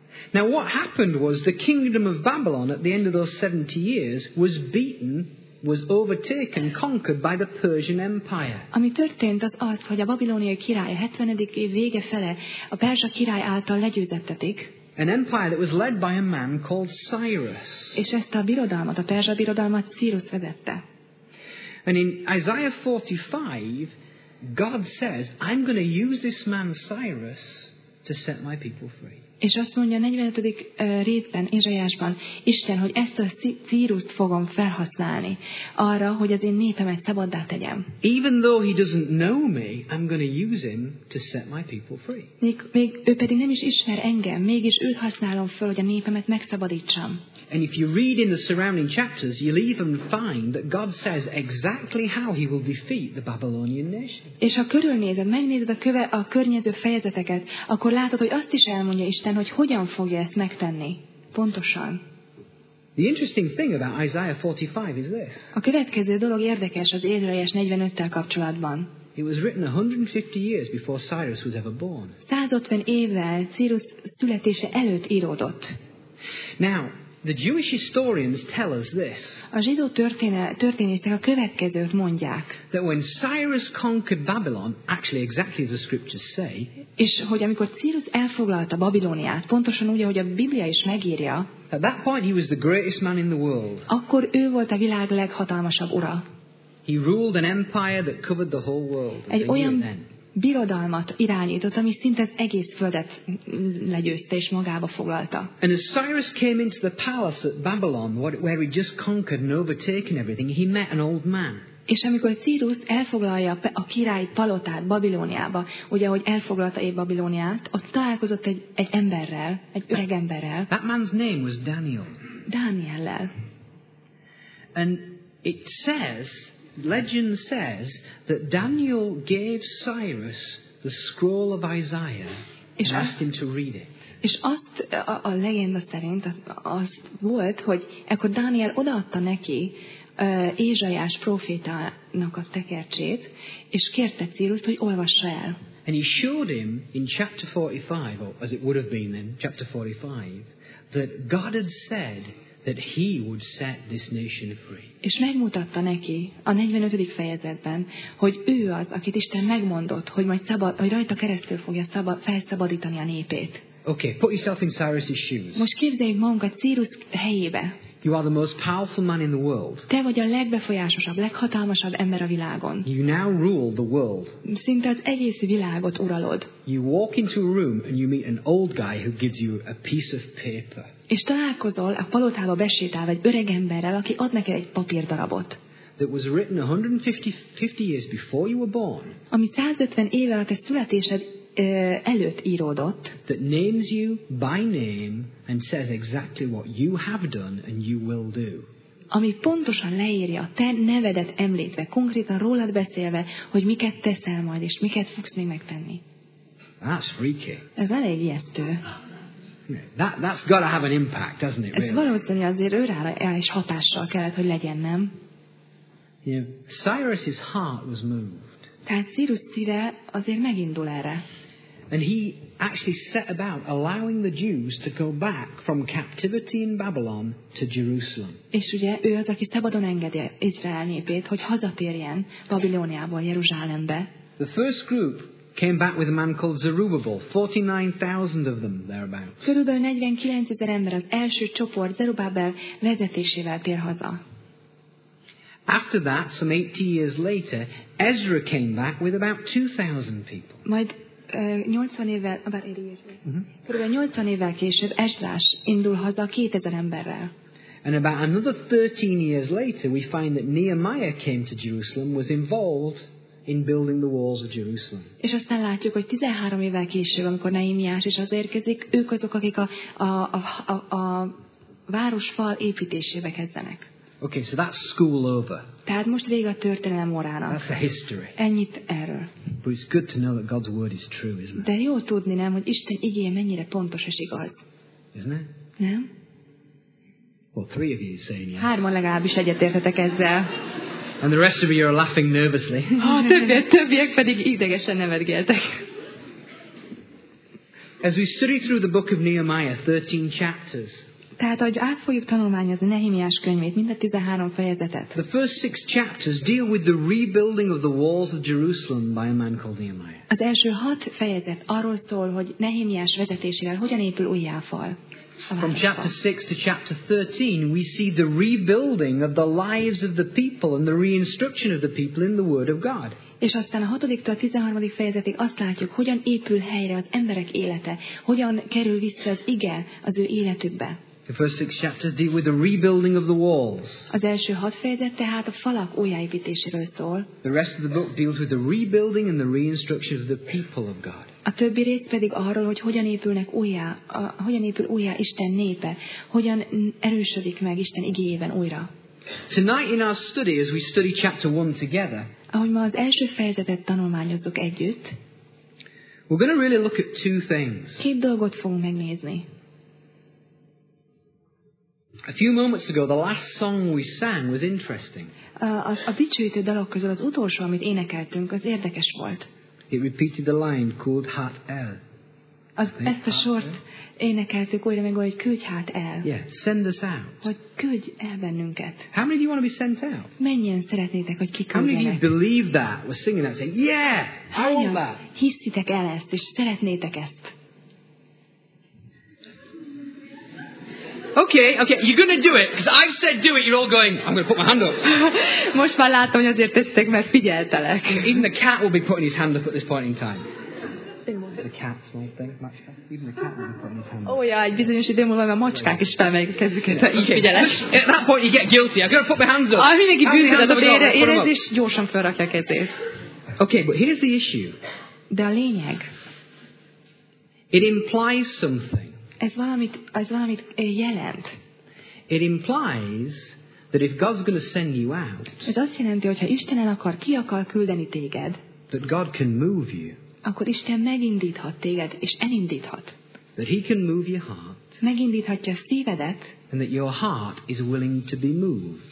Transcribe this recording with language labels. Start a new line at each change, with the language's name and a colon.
English: Now what happened was the kingdom of Babylon at the end of those 70 years was beaten, was overtaken, conquered by the Persian Empire.
Hungarian: Ami történt az, hogy a babiloniai király 70. év vége fele a perzsa király által legyőzettetik.
English: An empire that was led by a man called Cyrus.
Hungarian: És ezt a birodalmat, a perzsa birodalmat Cyrus vezette.
English: And in Isaiah 45, God says, I'm going to use this man Cyrus to set my people free.
Hungarian: És azt mondja a 45. részben, Ézsaiásban, Isten, hogy ezt a Cyrust fogom felhasználni arra, hogy az én népemet szabaddá tegyem.
English: Even though he doesn't know me, I'm going to use him to set my people free.
Hungarian: Még ő pedig nem is ismer engem, mégis őt használom föl, hogy a népemet megszabadítsam.
English: And if you read in the surrounding chapters, you'll even find that God says exactly how he will defeat the Babylonian nation.
Hungarian: És ha körülnézed, megnézed a környező fejezeteket, akkor látod, hogy azt is elmondja Isten, hogy hogyan fogja ezt megtenni. Pontosan.
English: The interesting thing about Isaiah 45 is this.
Hungarian: A következő dolog érdekes az Ézsaiás 45-tel kapcsolatban.
English: It was written 150 years before Cyrus was ever born.
Hungarian: 150 évvel Cyrus születése előtt íródott.
English: Now, the Jewish historians tell us this.
Hungarian: A zsidó történészek a következőt mondják.
English: That when Cyrus conquered Babylon, actually exactly as the scriptures say.
Hungarian: És hogy amikor Cyrus elfoglalta Babiloniát, pontosan úgy, ahogy a Biblia is megírja.
English: At that point he was the greatest man in the world.
Hungarian: Akkor ő volt a világ leghatalmasabb ura.
English: He ruled an empire that covered the whole world.
Hungarian: Egy olyan birodalmat irányított, ami szinte az egész földet legyőzte és magába foglalta.
English: And as Cyrus came into the palace at Babylon, where he just conquered and overtaken everything, he met an old man.
Hungarian: És amikor Cyrus elfoglalja a király palotát Babilóniába, ugye, hogy elfoglalta épp Babilóniát, ott találkozott egy emberrel, egy öreg emberrel.
English: That man's name was Daniel.
Hungarian: Dániellel.
English: And it says, legend says that Daniel gave Cyrus the scroll of Isaiah and asked him to read it.
Hungarian: És azt a legenda szerint az volt, hogy ekkor Dániel odaadta neki Ézsaiás prófétának a tekercsét, és kérte Cyrust, hogy olvassa el.
English: And he showed him in chapter 45, or as it would have been then, chapter 45, that God had said that he would set this nation free.
Hungarian: És megmutatta neki a 45. fejezetben, hogy ő az, akit Isten megmondott, hogy majd hogy rajta keresztül fogja felszabadítani a népét.
English: Okay, put yourself in Cyrus's shoes.
Hungarian: Most képzeljük magunkat Cyrus helyébe.
English: You are the most powerful man in the world.
Hungarian: Te vagy a legbefolyásosabb, leghatalmasabb ember a világon.
English: You now rule the world.
Hungarian: Szinte az egész világot uralod.
English: You walk into a room and you meet an old guy who gives you a piece of paper.
Hungarian: És találkozol a palotába besétálva egy öreg emberrel, aki ad neked egy papírdarabot.
English: That was written 150 years before you were born.
Hungarian: Ami 150 éve a te születésed előtt íródott.
English: That names you by name and says exactly what you have done and you will do.
Hungarian: Ami pontosan leírja a te nevedet említve, konkrétan rólad beszélve, hogy miket teszel majd és miket fogsz még megtenni.
English: That's freaky.
Hungarian: Ez elég ijesztő.
English: That's got to have an impact, doesn't it? Really?
Hungarian: Ez valószínűleg azért őrára is hatással kellett, hogy legyen, nem?
English: Yeah. Cyrus's heart was moved.
Hungarian: Tehát Cyrus szíve azért megindul erre.
English: And he actually set about allowing the Jews to go back from captivity in Babylon to Jerusalem.
Hungarian: És ugye ő az, aki szabadon engedi Izrael népét, hogy hazatérjen Babilóniából Jeruzsálembe.
English: The first group came back with a man called Zerubbabel, 49,000 of them thereabouts.
Hungarian: Körülbelül 49,000 ember az első csoport Zerubbabel vezetésével tér haza.
English: After that, some 80 years later, Ezra came back with about 2,000 people.
Hungarian: Majd 80 évvel, abár Körülbelül 80 évvel később Ezrás indul haza 2,000 emberrel.
English: And about another 13 years later, we find that Nehemiah came to Jerusalem, was involved in building the walls of Jerusalem.
Hungarian: És aztán látjuk, hogy 13 évvel később, amikor Nehemiás is az érkezik, ők azok, akik a városfal építésébe kezdenek.
English: Okay, so that's school over.
Hungarian: Tehát most vége a történelem órának.
English: That's the history.
Hungarian: Ennyit erről.
English: But it's good to know that God's word is true, isn't it?
Hungarian: De jó tudni, nem, hogy Isten igéje mennyire pontos és igaz.
English: Isn't it?
Hungarian: Nem?
English: Well, three of you are saying yes.
Hungarian: Hárman legalábbis egyetértetek ezzel.
English: And the rest of you are laughing nervously.
Hungarian: A többiek pedig idegesen nevetgéltek.
English: As we study through the book of Nehemiah, 13 chapters.
Hungarian: Tehát, ahogy át fogjuk tanulmányozni Nehémiás könyvét, mind a 13 fejezetet.
English: The first six chapters deal with the rebuilding of the walls of Jerusalem by a man called Nehemiah.
Hungarian: Az első 6 fejezet arról szól, hogy Nehémiás vezetésével hogyan épül újjá a fal.
English: From chapter 6 to chapter 13, we see the rebuilding of the lives of the people and the reinstruction of the people in the Word of God.
Hungarian: És aztán a 6-tól a 13. fejezetig azt látjuk, hogyan épül helyre az emberek élete, hogyan kerül vissza az ige az ő életükbe.
English: The first six chapters deal with the rebuilding of the walls.
Hungarian: Az első 6 fejezet tehát a falak újjáépítéséről szól.
English: The rest of the book deals with the rebuilding and the reinstruction of the people of God.
Hungarian: A többi rész pedig arról, hogy hogyan épülnek újjá, hogyan épül újjá Isten népe, hogyan erősödik meg Isten igéjében újra.
English: Tonight in our study, as we study chapter 1 together,
Hungarian: ahogy ma az első fejezetet tanulmányozzuk együtt,
English: we're going to really look at two things.
Hungarian: Két dolgot fogunk megnézni.
English: A few moments ago, the last song we sang was interesting.
Hungarian: A dicsőítő dalok közül az utolsó, amit énekeltünk, az érdekes volt.
English: It repeated the line,
Hungarian: "Küld hát el." Ezt a sort énekeltük újra meg, hogy küldj hát el.
English: Yeah, send us out.
Hungarian: Hogy küldj el bennünket.
English: How many of you want to be sent out?
Hungarian: Mennyien szeretnétek, hogy kiküldjenek?
English: How many of you believe that? We're singing that, saying, "Yeah, I want that."
Hungarian: Hiszitek el ezt, és szeretnétek ezt.
English: Okay, you're going to do it. Because I've said do it, you're all going, I'm going to put my hand up.
Hungarian: Most már látom, hogy azért tettek, mert figyeltelek.
English: Even the cat will be putting his hand up at this point in time. The cat's small thing, macska. Even the cat will be putting his hand up.
Hungarian: Oh yeah, egy bizonyos idő múlva a macskák is felmegy a kezüket, így figyelek.
English: At that point you get guilty, I'm going to put my hands up.
Hungarian: Ah, mindenki bűnhet, de érez is gyorsan felrakja a kezét.
English: Okay, but here's the issue.
Hungarian: De a lényeg.
English: It implies something.
Hungarian: Ez valamit jelent.
English: It implies that if God's going to send you out.
Hungarian: Ez azt jelenti, hogy ha Isten el akar, ki akar küldeni téged.
English: That God can move you.
Hungarian: Akkor Isten megindíthat téged és elindíthat.
English: That He can move your heart.
Hungarian: Megindíthatja szívedet.
English: And that your heart is willing to be moved.